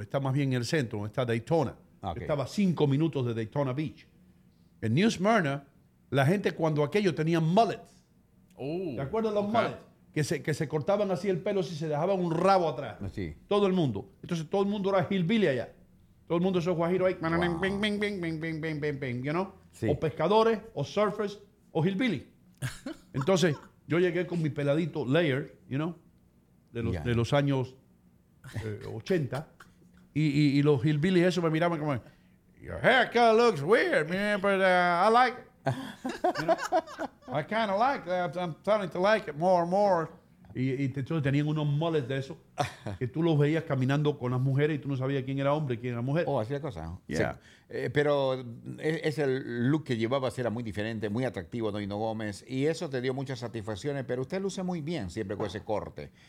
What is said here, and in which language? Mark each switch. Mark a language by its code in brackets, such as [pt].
[es] Está más bien en el centro, donde está Daytona. [en] Okay. [es] Estaba 5 minutos de Daytona Beach. En New Smyrna, la gente cuando aquello tenía mullets. ¿Te acuerdas los mullets? Que se cortaban así el pelo si se dejaba un rabo atrás. Sí. Todo el mundo. Entonces todo el mundo era hillbilly allá. Todo el mundo es guajiro ahí. [en] Wow. Bing, bing, bing, bing, bing, bing, bing, bing, you know? [es] Sí. O pescadores, o surfers, o hillbilly. Entonces yo llegué con mi peladito layer, [en] you know? [es] De los años 80, y los hillbillies eso me miraban como, [en] your haircut looks weird, man, but I like it. You know, I kind of like that. I'm starting to like it more and more. [es] Y entonces tenían unos mullets de eso que tú los veías caminando con las mujeres y tú no sabías quién era hombre y quién era mujer. Oh, hacía cosas. Yeah. Sí. Pero ese look que llevabas era muy diferente, muy atractivo, Doino Gómez. Y eso te dio muchas satisfacciones. Pero usted luce muy bien siempre con ese corte.